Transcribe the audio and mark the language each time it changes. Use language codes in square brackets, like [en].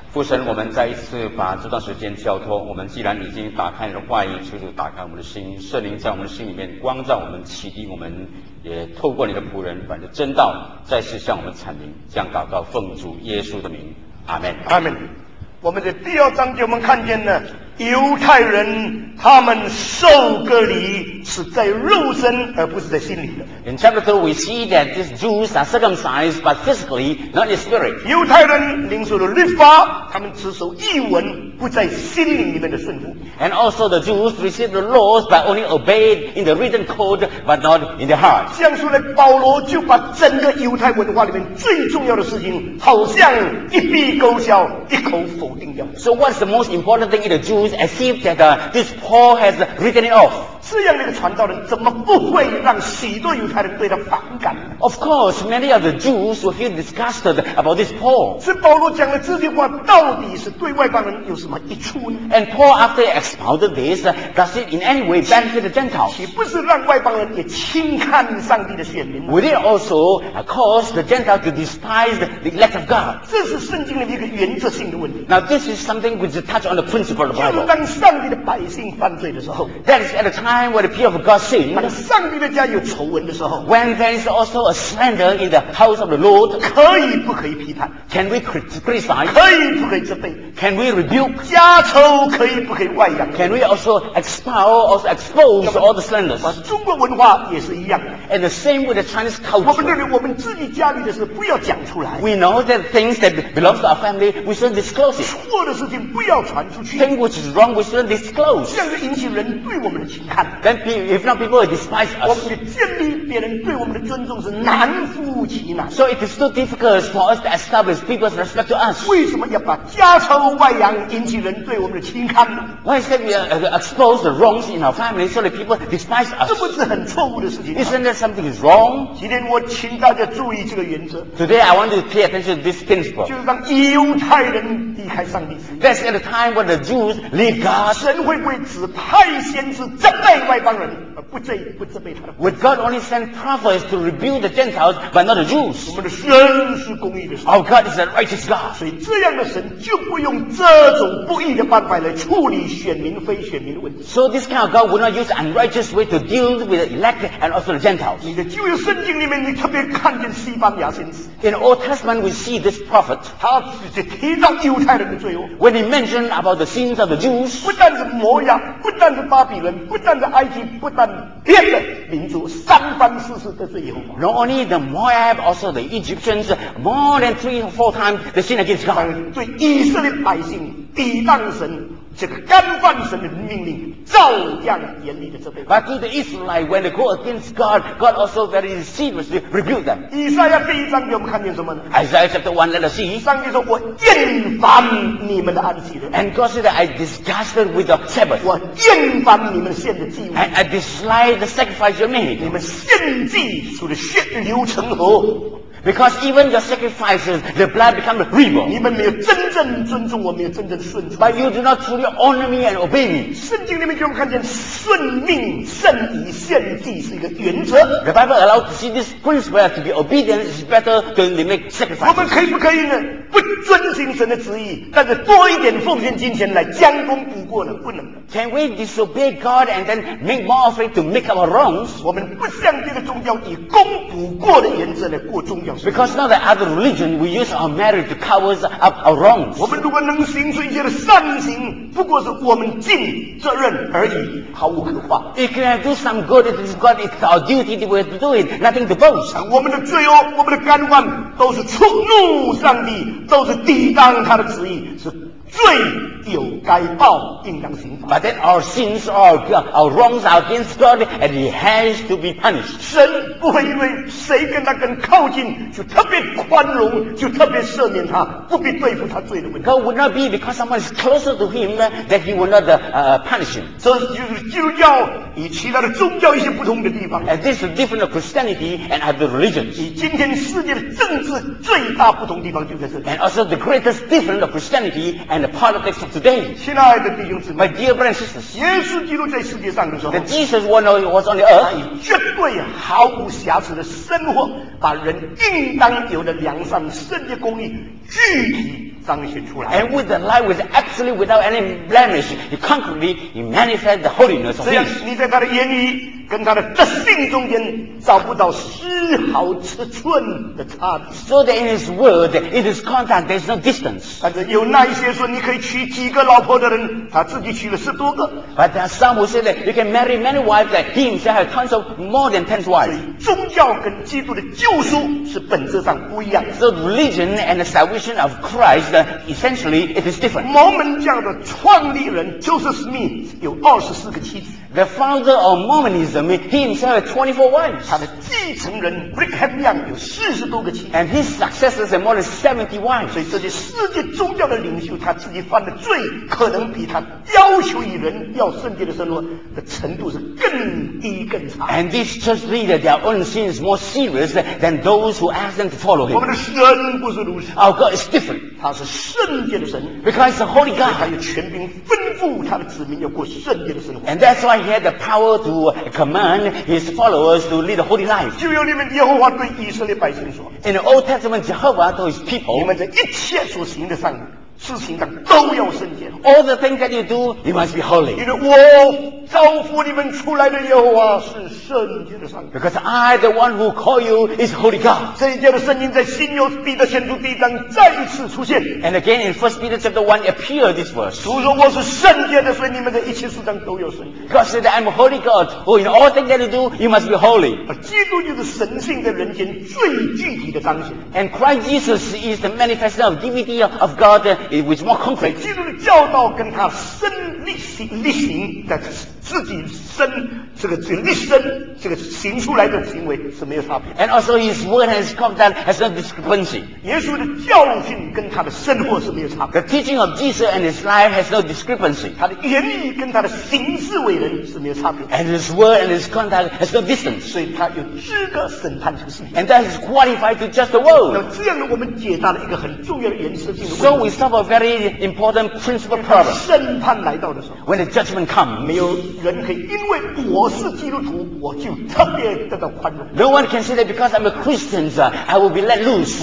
[zh] 父神，我们再一次把这段时间交托，我们既然已经打开你的话语，求主打开我们的心，圣灵在我们的心里面光照我们，启迪我们，也透过你的仆人把你的真道再次向我们阐明。这样祷告奉主耶稣的名，阿们，阿们。我们的第二章就我们看见了犹太人他们受割礼是在肉身而不是在心里的。 [en] In chapter 2 we see that these Jews are circumcised but physically not in spirit. [zh] 犹太人领受了律法，他们只守义文，不在心灵里面的顺服。 [en] And also the Jews received the laws but only obeyed in the written code but not in the heart. [zh] 这样说来，保罗就把整个犹太文化里面最重要的事情好像一笔勾销，一口否定掉。 [en] So what's the most important thing in the Jews as if that this Paul has written it off. [zh] 这样的一个传道人怎么不会让许多犹太人对他反感？ [en] Of course, many of the Jews will feel disgusted about this Paul. [zh] 所以保罗讲的这句话到底是对外邦人有什么益处呢？ [en] And Paul, after he expounded this, does it in any way benefit the Gentiles? [zh] 岂不是让外邦人也轻看上帝的选民？ [en] Would it also cause the Gentiles to despise the elect of God? [zh] 这是圣经的一个原则性的问题。 [en] Now this is something which touches on the principle of the Bible. [zh] 就当上帝的百姓犯罪的时候， [en] that is at the time when the people of God sin. [zh] 当上帝的家有仇闻的时候， [en] when there is also a slander in the house of the Lord, [zh] 可以不可以批判？ [en] Can we criticize? [zh] 可以不可以责备？ [en] Can we rebuke? [zh] 家仇可以不可以外扬？ [en] Can we also expel or expose all the slanders? [zh] 中国文化也是一样。 [en] And the same with the Chinese culture. [zh] 我们认为我们自己家里的事不要讲出来。 [en] We know that things that belong to our family, we shouldn't disclose it. [zh] 错的事情不要传出去。 [en] Things which is wrong, we shouldn't disclose. [zh] 这样就引起人对我们的轻看。 [en] Then if not, people will despise us. [zh] 我们建立别人对我们的尊重是难乎其难。 [en] So it is too difficult for us to establish people's respect to us. [zh] 为什么要把家仇外扬引起人对我们的轻看呢？ [en] Why is that we expose the wrongs in our family so that people despise us? [zh] 这不是很错误的事情吗？ [en] Isn't that something is wrong? [zh] 今天我请大家注意这个原则。 [en] Today I want to pay attention to this principle. [zh] 就是当犹太人离开上帝时， [en] That's at the time when the Jews leave God. [zh] 神会不会指派先知责备外邦人？不责不责备他的。 [en] We God only sent prophets to rebuild the Gentiles, but not the Jews. [zh] 我们的神是公义的神。 [en] Our God is a righteous God. [zh] 所以这样的神就不用这种不义的办法来处理选民非选民的问题。 [en] So this kind of God would not use unrighteous way to deal with the elect and also the Gentiles. [zh] 你的旧约圣经里面，你特别看见西班牙先知。 [en] In Old Testament, we see this prophet. [zh] 他直接提到犹太人的罪恶。 [en] When he mentioned about the sins of the Jews, [zh] 不但是摩押，不但是巴比伦，不但是埃及，不但别的民族，三番四次的罪恶。 [en] Not only the Moab, also the Egyptians, more than three or four times the sin against God. [zh] 对以色列百姓抵挡神。这个干犯神的命令，照样严厉的责备。 [en] But to the Israelite, when they go against God, God also very seriously rebuke them. [zh] 以赛亚第一章给我们看见什么呢？ [en] Isaiah chapter 1, let us see. [zh] 上帝说，我厌烦你们的安息日。 [en] And God said, I disgusted with the Sabbath. [zh] 我厌烦你们献的祭物。 [en] And I dislike the sacrifice you made. [zh] 你们献祭，除了血流成河。 [en] Because even your sacrifices, the blood becomes a river. [zh] 你们没有真正尊重我，没有真正顺从。 [en] But you do not truly honor me and obey me. [zh] 圣经里面给我们看见，顺命胜于献祭是一个原则。 [en] The Bible allows to see this principle to be obedient is better than to make sacrifices. [zh] 我们可以不可以呢？不遵循神的旨意，但是多一点奉献金钱来将功补过呢？不能。 [en] Can we disobey God and then make more of it to make up our wrongs? [zh] 我们不像这个宗教以功补过的原则来过宗。 [en] Because now the other religion, we use our merit to cover up our wrongs. [zh] 我们如果能行出一些的善行，不过是我们尽责任而已，毫无可夸。 [en] If we do some good, it is God, it's our duty that we have to do it. Nothing to boast. [zh] 我们的罪恶，我们的干犯，都是触怒上帝，都是抵挡他的旨意，是罪有该报，应当刑罚。 [en] But then our sins, our wrongs are against God, and He has to be punished. [zh] 神不会因为谁跟他更靠近，就特别宽容，就特别赦免他，不必对付他罪的问题。 [en] God would not be because someone is closer to Him that He would not punish him. [zh] 这就是基督教与其他的宗教一些不同的地方。 [en] And this is different from Christianity and other religions. [zh] 与今天世界的政治最大不同地方就在这里。 [en] And also the greatest difference of Christianity and the politics. Today, [zh] 亲爱的弟兄姊妹 [en] my dear brothers and sisters, [zh] 耶稣基督在世界上的时候 [en] that Jesus was on the earth, [zh] 他以绝对毫无瑕疵的生活把人应当有的良善圣洁公义具体彰显出来 [en] and with the light was absolutely without any blemish, he concretely he manifested the holiness of his [zh] 这样你在他的言语跟他的德性中间找不到丝毫尺寸的差别。 [en] So that in his word, in his conduct, there's no distance. [zh] 但是有那一些说你可以娶几个老婆的人，他自己娶了十多个。 [en] But there are some who say that you can marry many wives, that he himself has tons of more than ten wives. [zh] 所以宗教跟基督的救赎是本质上不一样。 [en] So religion and the salvation of Christ, essentially, it is different. [zh] 摩门教的创立人 Joseph Smith 有二十四个妻子。 [en] The founder of Mormonism, he himself had 24 wives. [zh] 他的继承人 Brigham Young 有四十多个妻子。 [en] And his successors had more than 70 wives. [zh] 所以这些世界宗教的领袖，他自己犯的罪，可能比他要求于人要圣洁的生活的程度是更低更差。 [en] And these church leaders, their own sins more serious than those who ask them to follow him. [zh] 我们的神不是如此。 [en] Our God is different. [zh] 他是圣洁的神。 [en] Because he's a holy God. [zh] 他有权柄吩咐他的子民要过圣洁的生活。 [en] And that's why he had the power to command his followers to lead a holy life. [zh] 旧约里面耶和华对以色列百姓说 [en] In the Old Testament, Jehovah told his people, [zh] 你们这一切所行的上事情上都要圣洁。 [en] All the things that you do, you must be holy. [zh] 因为我招呼你们出来的耶和华是圣洁的上帝。 [en] Because I, the one who call you, is holy God. [zh] 这一节的圣经在新约彼得前书第一章再一次出现。 [en] And again in 1 Peter chapter 1 appear this verse. [zh] 主说我是圣洁的，所以你们的一切事上都要圣洁。 [en] God said, I'm a holy God. Oh, in all things that you do, you must be holy. [zh] 基督就是神性在人间最具体的彰显。 [en] And Christ Jesus is the manifestation of divinity of God. It was more concrete. [zh] 基督的教导跟他身立行立行的自己身这个立身这个行出来的行为是没有差别。 [en] And also his word has come down has no discrepancy. [zh] 耶稣的教训跟他的生活是没有差别。 [en] The teaching of Jesus and his life has no discrepancy. [zh] 他的言语跟他的行事为人是没有差别。 [en] And his word and his conduct has no distance. [zh] 所以他有资格审判这个世界。 [en] And that is qualified to judge the world. [zh] 那这样呢，我们解答了一个很重要的原则性的问题。 [en] So we solve a very important principle problem. [zh] 审判来到的时候 [en] When the judgment comes, [zh] 没有人可以因为我是基督徒我就特别得到宽容。 [en] No one can say that because I'm a Christian I will be let loose.